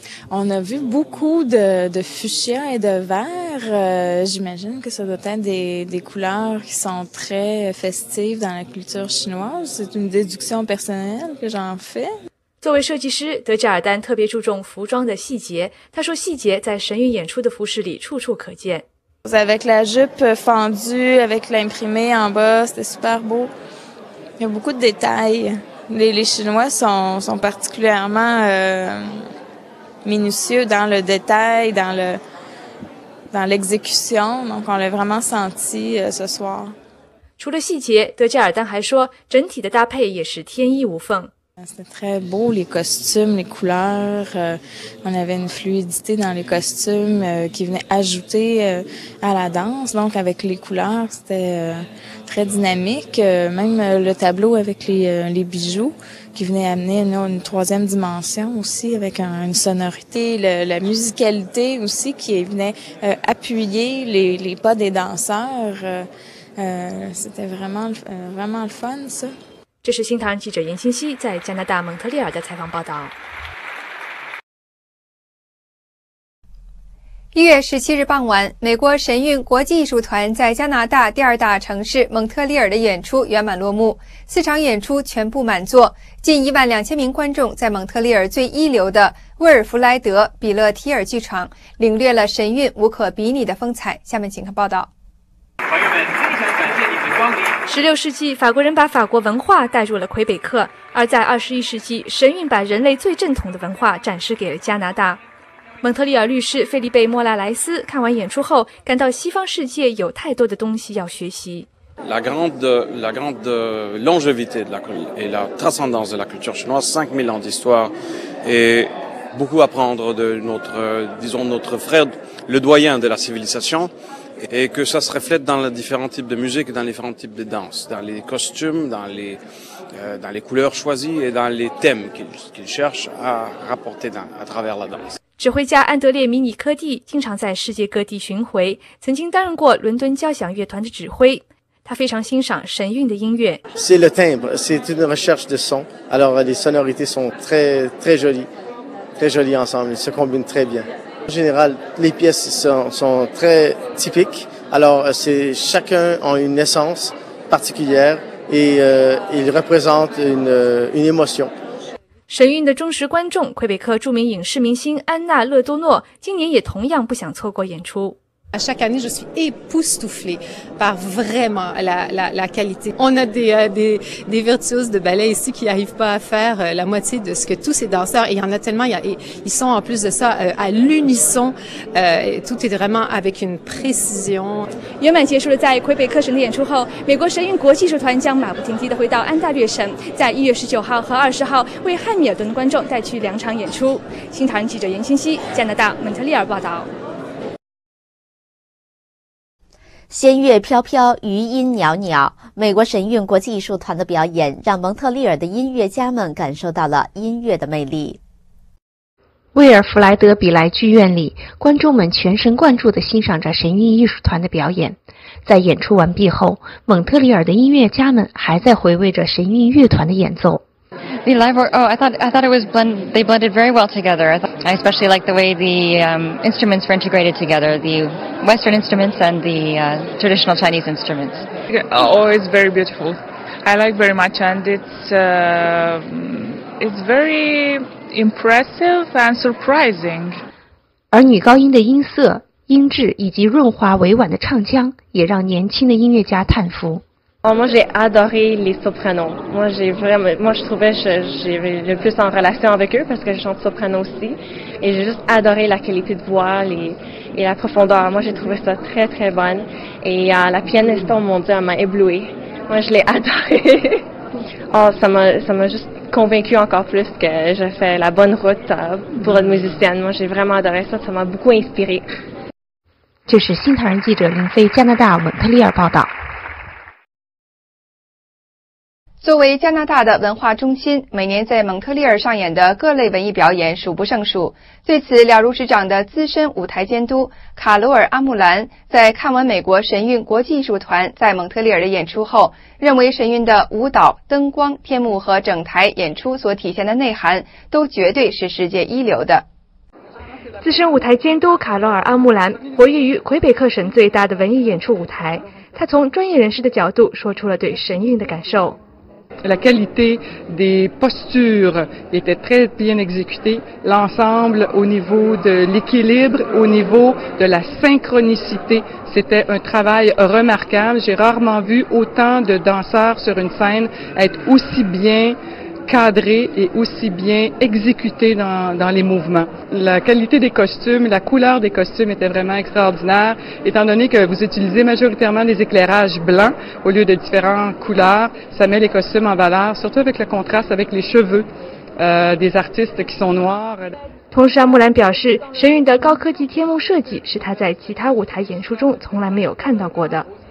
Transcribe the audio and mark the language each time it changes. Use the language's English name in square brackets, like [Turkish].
[French] On a vu beaucoup de fuchsia et de vert. J'imagine que ça doit être des couleurs qui sont très festives dans la culture chinoise. C'est une déduction personnelle que j'en fais. [Chinese] 作为设计师，德加尔丹特别注重服装的细节。他说，细节在神韵演出的服饰里处处可见。 [French] Avec la jupe fendue, avec l'imprimé en bas, c'était super beau. Il y a beaucoup de détails. Les Chinois sont particulièrement minutieux dans le détail, dans l'exécution, donc on l'a vraiment senti ce soir. [Chinese] 除了细节，德加尔丹还说，整体的搭配也是天衣无缝。 [French] C'était très beau, les costumes, les couleurs. On avait une fluidité dans les costumes qui venait ajouter à la danse. Donc avec les couleurs, c'était très dynamique. Même le tableau avec les bijoux qui venait amener une troisième dimension aussi avec une sonorité, la musicalité aussi qui venait appuyer les pas des danseurs. C'était vraiment le fun ça. [Chinese] 这是新唐记者严清溪在加拿大蒙特利尔的采访报道。 1月17日傍晚，美国神韵国际艺术团在加拿大第二大城市蒙特利尔的演出圆满落幕，四场演出全部满座，近12000名观众在蒙特利尔最一流的威尔弗莱德·比勒提尔剧场领略了神韵无可比拟的风采。下面请看报道。朋友们，非常感谢你们光临。 16世纪法国人把法国文化带入了魁北克，而在21世纪神韵把人类最正统的文化展示给了加拿大。蒙特利尔律师菲利贝·莫拉莱斯看完演出后感到，西方世界有太多的东西要学习。 [French] La grande longévité de la culture et la transcendance de la culture chinoise, 5000 ans d'histoire et beaucoup apprendre de notre frère le doyen de la civilisationet que ça se reflète dans les différents types de musique, dans les différents types de danse, dans les costumes, dans les couleurs choisies et dans les thèmes qu'ils cherchent à rapporter à travers la danse. [Chinese] 指挥家安德烈·米尼科蒂经常在世界各地巡回，曾经担任过伦敦交响乐团的指挥。他非常欣赏神韵的音乐。 [French] C'est le timbre, c'est une recherche de son. Alors les sonorités sont très, très jolies, très jolies ensemble, ils se combinent très bien. En général, les pièces sont très typiques. Alors c'est chacun en une essence particulière et il représente une émotion. [Chinese] 神韵的忠实观众魁北克著名影视明星安娜勒多诺今年也同样不想错过演出。 [French] À chaque année, je suis époustouflée par vraiment la qualité. On a des virtuoses de ballet ici qui n'arrivent pas à faire la moitié de ce que tous ces danseurs, et il y en a tellement, ils sont en plus de ça à l'unisson, tout est vraiment avec une précision. [Chinese] 圆满结束了在魁北克省的演出后，美国神韵国际艺术团将马不停蹄地回到安大略省，在1月19号和20号为汉密尔顿的观众带去两场演出。新唐人记者严清溪，加拿大蒙特利尔报道。仙乐飘飘，余音袅袅，美国神韵国际艺术团的表演让蒙特利尔的音乐家们感受到了音乐的魅力。威尔弗莱德比莱剧院里，观众们全神贯注地欣赏着神韵艺术团的表演。在演出完毕后，蒙特利尔的音乐家们还在回味着神韵乐团的演奏。 [English] The live work, I thought it was they blended very well together. I especially like the way the instruments were integrated together, the Western instruments and the traditional Chinese instruments. Oh, it's very beautiful. I like very much, and it's very impressive and surprising. [Chinese] 而女高音的音色、音质以及润滑委婉的唱腔也让年轻的音乐家叹服。 [French] Moi j'ai adoré les sopranos. Moi j'ai le plus en relation avec eux parce que je chante soprano aussi. Et j'ai juste adoré la qualité de voix et la profondeur. Moi j'ai trouvé ça très très bonne. Et la pianiste, oh mon Dieu, elle m'a éblouée. Moi je l'ai adorée. Oh, ça m'a juste convaincue encore plus que j'ai fait la bonne route pour être musicienne. Moi j'ai vraiment adoré ça. Ça m'a beaucoup inspirée. [Chinese] 这是新唐人记者林飞，加拿大蒙特利尔报道。作为加拿大的文化中心，每年在蒙特利尔上演的各类文艺表演数不胜数。对此，了如指掌的资深舞台监督卡罗尔·阿穆兰在看完美国神韵国际艺术团在蒙特利尔的演出后，认为神韵的舞蹈、灯光、天幕和整台演出所体现的内涵都绝对是世界一流的。资深舞台监督卡罗尔·阿穆兰活跃于魁北克省最大的文艺演出舞台，他从专业人士的角度说出了对神韵的感受。 [French] La qualité des postures était très bien exécutée. L'ensemble au niveau de l'équilibre, au niveau de la synchronicité, c'était un travail remarquable. J'ai rarement vu autant de danseurs sur une scène être aussi bien cadrés et aussi bien exécutés dans les mouvements. La qualité des costumes, la couleur des costumes était vraiment extraordinaire, étant donné que vous utilisez majoritairement des éclairages blancs au lieu de différentes couleurs, ça met les costumes en valeur, surtout avec le contraste avec les cheveux des artistes qui sont noirs. [Chinese] 同时阿穆兰表示，神韵的高科技天幕设计是他在其他舞台演出中从来没有看到过的。